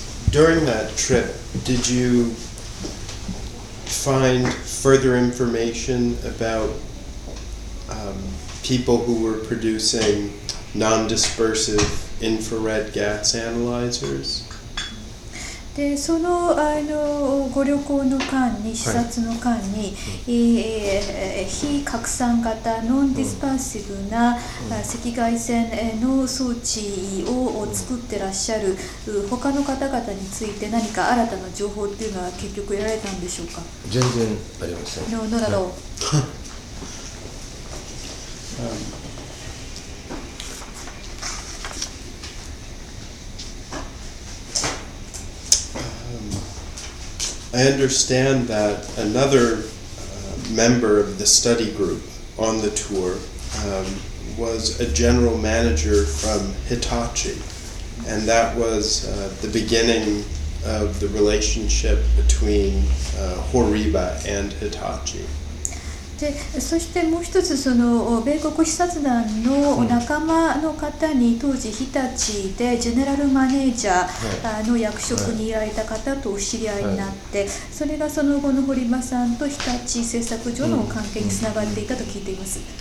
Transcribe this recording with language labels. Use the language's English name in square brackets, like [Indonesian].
[English] During that trip, did you find further information about people who were producing non-dispersive infrared gas analyzers? [Japanese] で、その、ご旅行の間に、視察の間に、はい、非拡散型ノンディスパーシブな、うん、赤外線の装置を作ってらっしゃる他の方々について何か新たな情報っていうのは結局得られたんでしょうか？全然ありません。 [English] No, no, no. I understand that another member of the study group on the tour was a general manager from Hitachi, and that was the beginning of the relationship between Horiba and Hitachi. [Japanese] で、そしてもう一つその米国視察団の仲間の方に当時日立でジェネラルマネージャーの役職にいられた方とお知り合いになってそれがその後の堀間さんと日立製作所の関係につながっていたと聞いています。